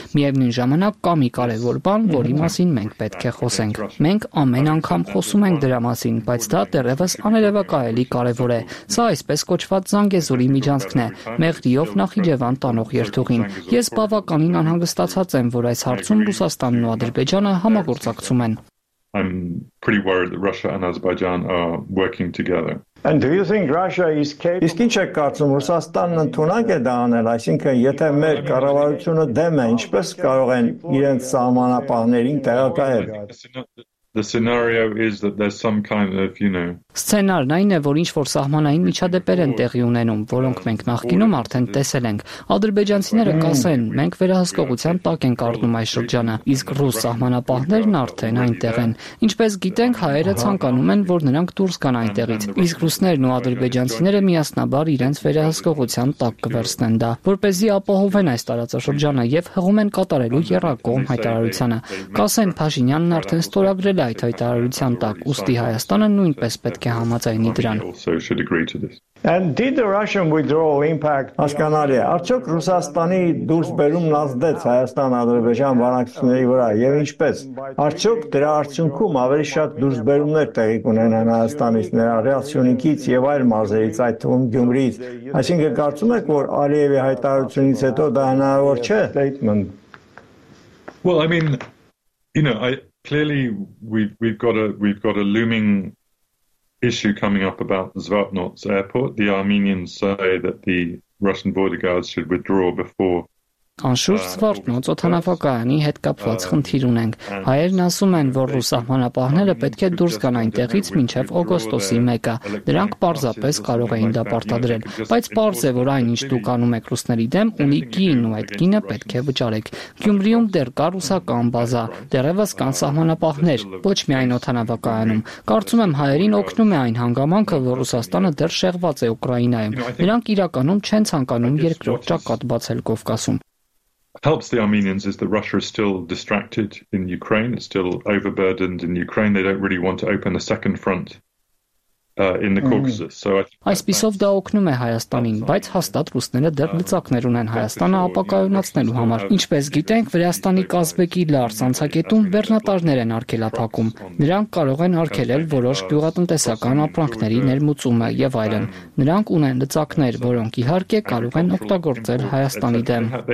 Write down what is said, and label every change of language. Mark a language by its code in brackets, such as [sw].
[hy] Միևնույն ժամանակ կա մի կարևոր բան, որի մասին մենք պետք է խոսենք։ Մենք ամեն անգամ խոսում ենք դրա մասին, բայց դա դեռևս աներևակայելի կարևոր է։ Սա այսպես կոչված Զանգեզուրի միջանցքն է՝ Մեղրիով Նախիջևան տանող երթուղին։ Ես բավականին անհանգստացած եմ, որ այս հարցում Ռուսաստանն ու Ադրբեջանը համագործակցում են. [en] I'm pretty worried that Russia and Azerbaijan are working together. And do you think Russia is capable? [hy] Իսկ ինչ եք կարծում, Ռուսաստանն ընդունակ է դա անել, այսինքն եթե մեր կառավարությունը դեմ է, ինչպես կարող են իրենց սահմանապահներին տեղակայել? [en] The scenario is that there's some kind of, you know. [hy] Սցենարն այն է, որ ինչ որ սահմանային միջադեպեր են տեղի ունենում, որոնք մենք նախկինում արդեն տեսել ենք։ Ադրբեջանցիները կասեն, մենք վերահսկողության տակ ենք առնում այս շրջանը, իսկ ռուս սահմանապահներն արդեն այնտեղ են։ Ինչպես գիտենք, հայերը ցանկանում են, որ նրանք դուրս գան այնտեղից, իսկ ռուսներն ու ադրբեջանցիները միասնաբար իրենց վերահսկողության տակ կվերցնեն դա, որպեսզի ապահովեն այս տարածաշրջանը եւ հղում են կատարելու երկկողմ հայտարարությունը։ Կասեն, Փաշինյանն արդեն ստորագրել այդ հայտարարության տակ, ուստի Հայաստանը նույնպես պետք է համաձայնի դրան։ [en] And did the Russian withdrawal impact [hy] Ասկանալի, արդյոք Ռուսաստանի դուրս բերումն ազդեց Հայաստան-Ադրբեջան բանակցությունների վրա եւ ինչպես։ Արդյոք դրա արդյունքում ավելի շատ դուրս բերումներ տեղի ունենան Հայաստանից ներառյալ Սյունիքից եւ այլ մարզերից, այդ թվում Գյումրից։ Այսինքն կարծում եք, որ Ալիևի հայտարարությունից հետո դա հնարավոր չէ։ [en] Well, I mean, you know, Clearly we've got a looming issue coming up about Zvartnots airport. The Armenians say that the Russian border guards should withdraw before [hy] Անշուշտ Զվարթնոց օթանավակայանի հետ կապված խնդիր ունենք։ Հայերն ասում են, որ ռուս սահմանապահները պետք է դուրս գան այնտեղից մինչև օգոստոսի 1-ը։ Նրանք պարզապես կարող էին դա պարտադրել, բայց պարզ է, որ այն, ինչ դուք անում եք ռուսների դեմ, ունի գին, ու այդ գինը պետք է վճարեք։ Գյումրիում դեռ կա ռուսական բազա, դեռևս կան սահմանապահներ, ոչ միայն օթանավակայանում։ Կարծում եմ, հայերին օգնում է այն հանգամանքը, որ Ռուսաստանը դեռ շեղված է Ուկրաինայում։ Նրանք իրականում չեն ցանկանում երկրորդ ճակատ բացել Կովկասում։ [en] Helps the Armenians is that Russia is still distracted in Ukraine, it's still overburdened in Ukraine, they don't really want to open a second front in the Caucasus. So [hy] այսպիսով դա օգնում է Հայաստանին, բայց հաստատ ռուսները դեռ լծակներ ունեն Հայաստանը ապակայունացնելու համար։ Ինչպես գիտենք, Վրաստանի Կազմբեկի լարս անցակետում բեռնատարներ են արգելափակում։ Նրանք կարող են արգելել որոշ գյուղատնտեսական ապրանքների ներմուծումը եւ այլն։ Նրանք ունեն լծակներ, որոնք իհարկե կարող են օգտագործել Հայաստանի դեմ։